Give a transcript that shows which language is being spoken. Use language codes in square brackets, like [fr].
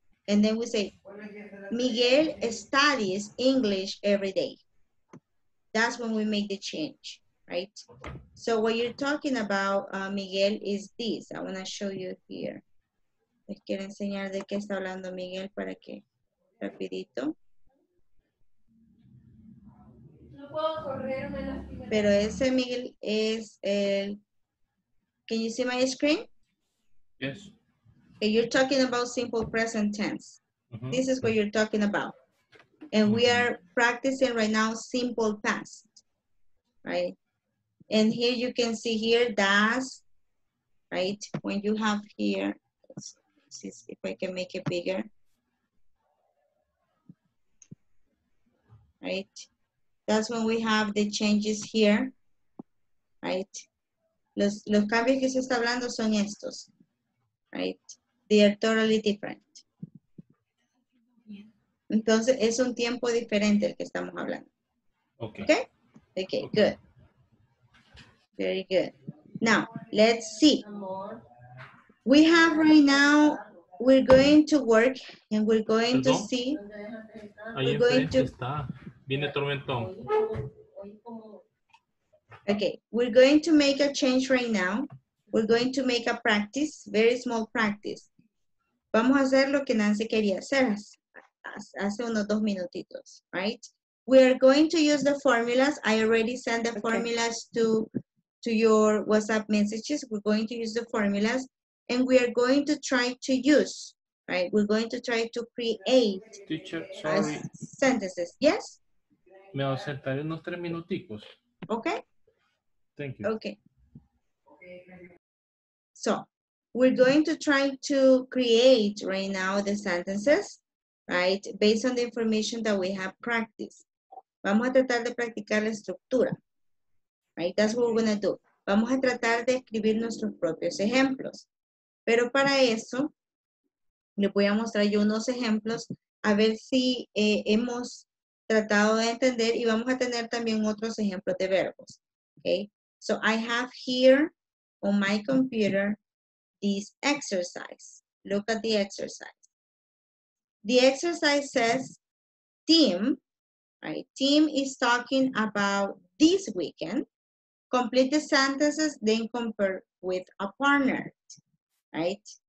[en] And then we say, Miguel studies English every day. That's when we make the change, right? So what you're talking about, Miguel, is this. I want to show you here. [es] Les quiero enseñar de qué está hablando Miguel para que rapidito. No puedo correr, me lastimé. Pero ese Miguel es el... [en] Can you see my screen? Yes. And you're talking about simple present tense. Mm-hmm. This is what you're talking about. And mm-hmm. we are practicing right now simple past, right? And here you can see here, das, right? When you have here, let's see if I can make it bigger. Right? That's when we have the changes here, right? [es] Los cambios que se está hablando son estos. Right? [en] They are totally different. [es] Entonces, es un tiempo diferente el que estamos hablando. [en] Okay, good. Very good. Now, let's see. We have right now, we're going to work and we're going to see. [es] Ahí enfrente está. Viene tormentón. [en] Okay, we're going to make a change right now. We're going to make a practice, very small practice. [es] Vamos a hacer lo que Nancy quería hacer hace unos dos minutitos, right? [en] We are going to use the formulas. I already sent the formulas to your WhatsApp messages. We're going to use the formulas and we are going to try to use, right? We're going to try to create sentences. Yes? [es] Me voy a sentar unos tres minuticos. [en] Okay. Thank you. Okay. So, we're going to try to create right now the sentences, right? Based on the information that we have practiced. [es] Vamos a tratar de practicar la estructura. [en] Right? That's what we're going to do. [es] Vamos a tratar de escribir nuestros propios ejemplos. Pero para eso, les voy a mostrar yo unos ejemplos a ver si hemos tratado de entender y vamos a tener también otros ejemplos de verbos. [en] Okay? So I have here on my computer this exercise. Look at the exercise. The exercise says, Tim, right? Tim is talking about this weekend. Complete the sentences, then compare with a partner. Right?